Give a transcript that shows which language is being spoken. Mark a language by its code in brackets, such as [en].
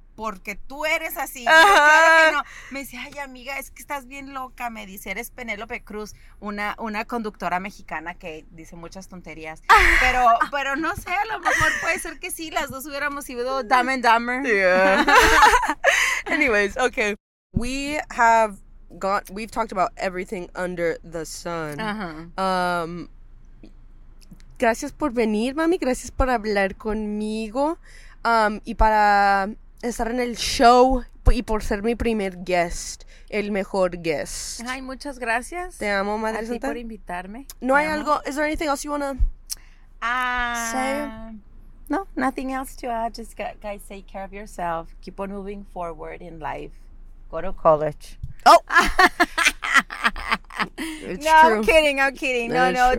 [es] Porque tú eres así. Yo, claro que no. Me dice, ay, amiga, es que estás bien loca. Me dice, eres Penélope Cruz, una conductora mexicana que dice muchas tonterías. Pero no sé, a lo mejor puede ser que sí, las dos hubiéramos sido Dumb and Dumber. [en] Yeah. Anyways, okay. We have got, we've talked about everything under the sun. Uh-huh. [es] Gracias por venir, mami. Gracias por hablar conmigo. Y para... estar en el show y por ser mi primer guest, el mejor guest. Ay, muchas gracias. Te amo, Madre Santa. A ti por invitarme. No hay algo, [en] is there anything else you want to say? No, nothing else to add. Just guys, take care of yourself. Keep on moving forward in life. go to college. Oh. It's no, true. I'm kidding. That no, true.